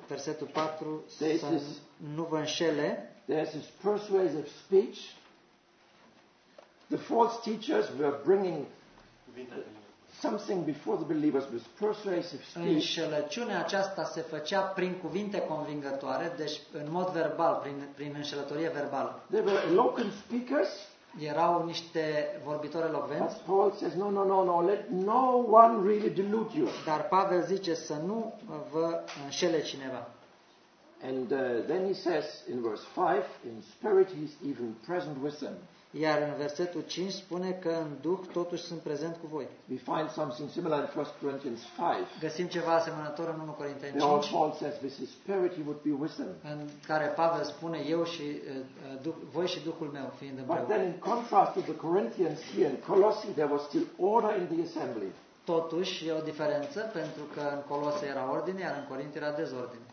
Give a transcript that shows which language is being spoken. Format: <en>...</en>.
<ro>Versetul 4 să nu vă înșele.</ro> <en>There's this persuasive speech. The false teachers were bringing something before the believers was persuasive speech.</en> <ro>Înșelăciunea aceasta se făcea prin cuvinte convingătoare, deci în mod verbal, prin înșelătorie verbală.</ro> <en>They were eloquent speakers.</en> <ro>Erau niște vorbitori elocvenți.</ro> <en>But Paul says, no, let no one really delude you.</en> <ro>Dar Pavel zice să nu vă înșele cineva.</ro> <en>And then he says in verse 5, in spirit he's even present with them.</en> <ro>Iar în versetul 5 spune că în duh totuși sunt prezent cu voi.</ro> <en>We find something similar in 1 Corinthians 5.</en> <ro>Găsim ceva asemănător în 1 Corinteni 5.</ro> <en>Where Paul says with his spirit he would be with them.</en> <ro>În care Pavel spune eu și voi și duhul meu fiind împreună.</ro> <en>But then in contrast to the Corinthians here in Colossae there was still order in the assembly.</en> <ro>Totuși e o diferență pentru că în Colosă era ordine, iar în Corint era dezordine.</ro>